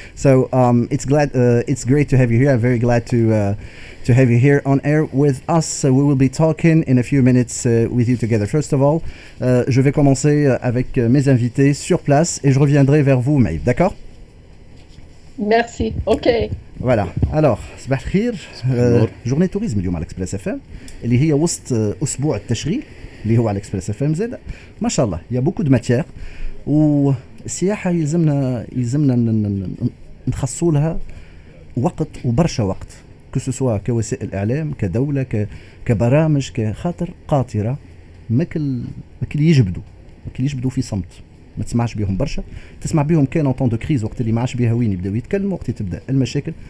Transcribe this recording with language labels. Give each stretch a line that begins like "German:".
English: So it's great to have you here. I'm very glad to have you here on air with us. So we will be talking in a few minutes with you together. First of all,
French: je vais commencer avec mes invités sur place et je reviendrai vers vous, Maïve, d'accord? Merci, okay. Voilà. Alors,
Arabic: صباح الخير. Journée tourisme اليوم على Express FM, اللي هي وسط أسبوع التشغيل اللي هو على Express FM زيد. ما شاء الله,
French: il y a beaucoup de matière.
Arabic: والسياحة يلزمنا نخصو لها وقت وبرشا وقت, كسوسوا كوسائل إعلام, كدولة, كبرامج, كخاطر قاطرة ماكل يجبدوا في صمت, ما تسمعش بيهم برشا, تسمع بيهم كان اون طون دو كريز, وقت اللي ما عادش بيها وين يبداو يتكلموا, وقت تبدا المشاكل.